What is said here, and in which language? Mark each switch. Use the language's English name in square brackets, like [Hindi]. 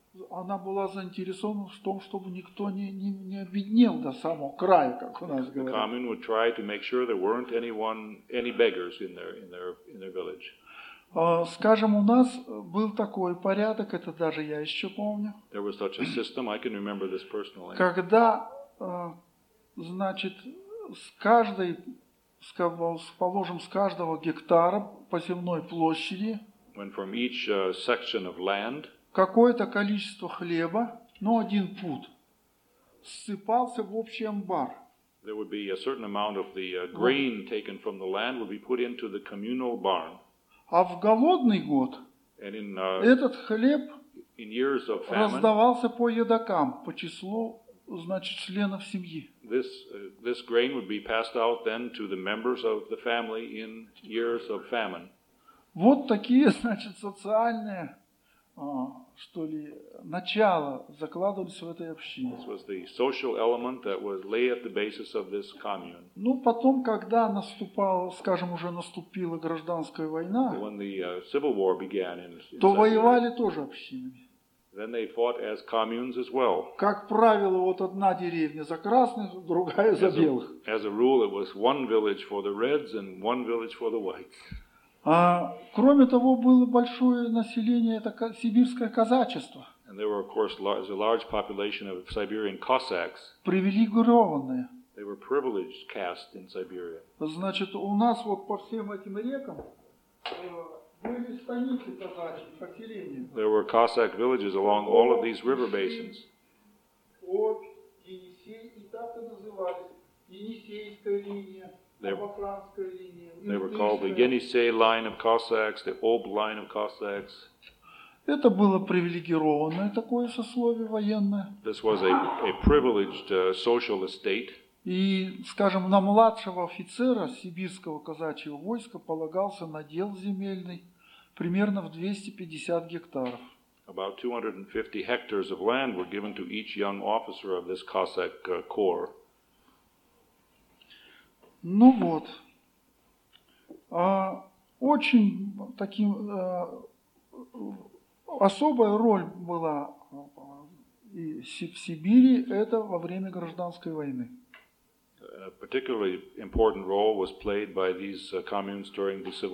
[Russian] Она была заинтересована в том, чтобы никто не обеднел до самого края, как у нас говорят. [English] The commune would try to make sure there weren't any beggars in their village. [Russian] Скажем, у нас был такой порядок, это даже я еще помню. [English] System, [Russian] когда, значит, с каждого гектара посевной площади [English] land, [Russian] какое-то количество хлеба, ну, один пуд, ссыпался в общий амбар. [English] There would be a certain amount of the grain taken from the land would be put into the communal barn. [Russian] А в голодный год этот хлеб раздавался по едокам, по числу, значит, членов семьи. [English] This grain would be passed out then to the members of the family in years of famine. [Russian] Вот такие, значит, социальные, что ли, начала закладывались в этой общине. [English] This was the social element that was laid at the basis of this commune. [Russian] Ну, потом, когда наступила гражданская война, [English] when the civil war began [Russian] то воевали тоже общинами. [English] Then they fought as communes as well. [Russian] Как правило, вот одна деревня за красных, другая за белых. [English] As a rule, it was one village for the reds and one village for the whites. [Russian] Кроме того, было большое население, это сибирское казачество. [English] And there were, of course, a large population of Siberian Cossacks. [Russian] Привилегированные. [English] They were privileged caste in Siberia. [Russian] Значит, у нас вот по всем этим рекам были станицы казачьи, поселения. [English] There were Cossack villages along all of these river basins. [Russian] Вот, Енисей, и так и назывались, Енисейская линия. [English] They were called the Yenisei line of Cossacks, the Ob line of Cossacks. [Russian] Это было привилегированное такое сословие военное. [English] This was a privileged social estate. [Russian] И, скажем, на младшего офицера сибирского казачьего войска полагался надел земельный примерно в 250 гектаров. [English] About 250 hectares of land were given to each young officer of this Cossack corps. [Russian] Ну вот, очень таким особая роль была в Сибири это во время гражданской войны. [English] A particularly important role was played by these communes during the Civil War.